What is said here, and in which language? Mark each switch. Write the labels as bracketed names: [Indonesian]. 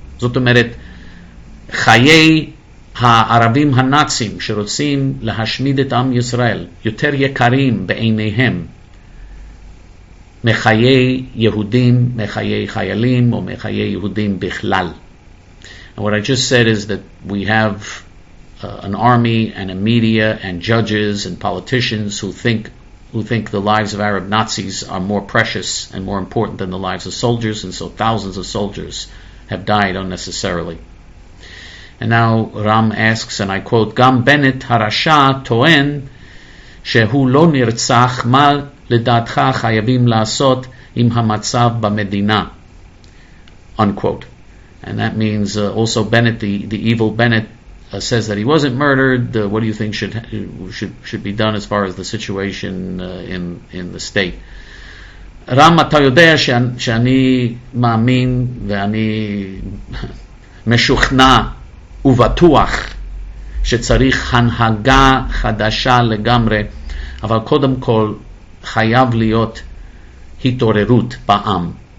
[Hebrew] זאת אומרת, חיי הערבים הנאצים שרוצים להשמיד את עם ישראל יותר יקרים בעיניהם מחיי יהודים, מחיי חיילים, או מחיי יהודים בכלל. [English] And what I just said is that we have an army and a media and judges and politicians who think the lives of Arab Nazis are more precious and more important than the lives of soldiers, and so thousands of soldiers have died unnecessarily. And now Ram asks, and I quote, [Hebrew] גם בנט הרשא טוען שהוא לא נרצח, מה לדעתך חייבים לעשות עם המצב במדינה? [English] Unquote. And that means also Bennett, the evil Bennett, says that he wasn't murdered. What do you think should be done as far as the situation in the state? [Hebrew] Ram, אתה יודע שאני מאמין ואני משוכנע ובטוח שצריך הנהגה חדשה לגמרי, אבל קודם כל חייב להיות התעוררות בעם.